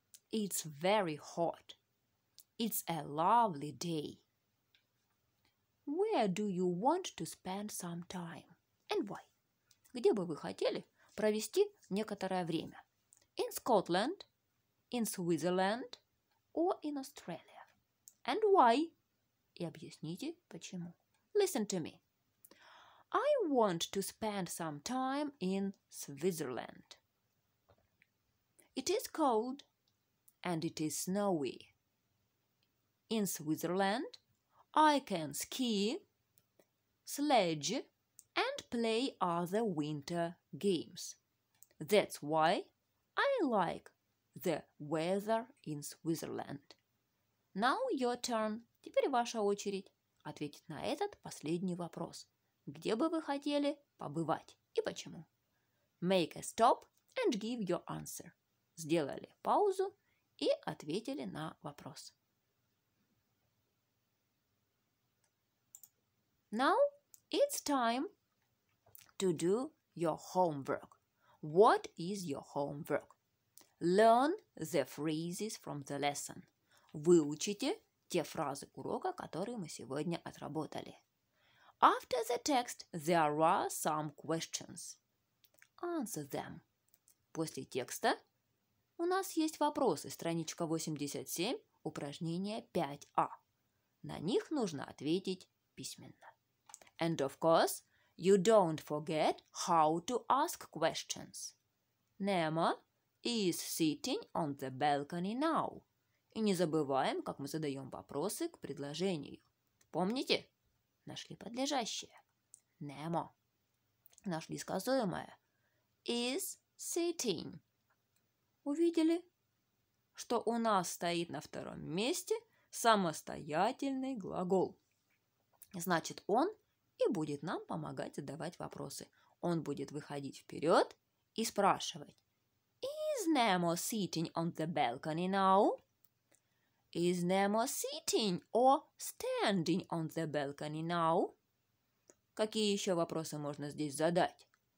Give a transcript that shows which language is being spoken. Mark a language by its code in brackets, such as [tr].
[en] It's very hot. It's a lovely day. Where do you want to spend some time? And why? [ru] Где бы вы хотели провести некоторое время? [en] In Scotland, in Switzerland, or in Australia? And why? [ru] И объясните почему. [en] Listen to me. I want to spend some time in Switzerland. It is cold. And it is snowy. In Switzerland, I can ski, sledge, and play other winter games. That's why I like the weather in Switzerland. Now your turn. [ru] Теперь ваша очередь ответить на этот последний вопрос. Где бы вы хотели побывать и почему? [en] Make a stop and give your answer. [ru] Сделали паузу. И ответили на вопрос. [en] Now it's time to do your homework. What is your homework? Learn the phrases from the lesson. [ru] Выучите те фразы урока, которые мы сегодня отработали. [en] After the text there are some questions. Answer them. [ru] После текста у нас есть вопросы, страничка 87, упражнение 5А. На них нужно ответить письменно. [en] And of course, you don't forget how to ask questions. Nema is sitting on the balcony now. [ru] И не забываем, как мы задаем вопросы к предложению. Помните? Нашли подлежащее. Nema. Нашли сказуемое. [en] Is sitting. [ru] Увидели, что у нас стоит на втором месте самостоятельный глагол. Значит, он и будет нам помогать задавать вопросы. Он будет выходить вперед и спрашивать. [en] Is Nemo sitting on the balcony now? Is Nemo sitting or standing on the balcony now? [ru] Какие еще вопросы можно здесь задать?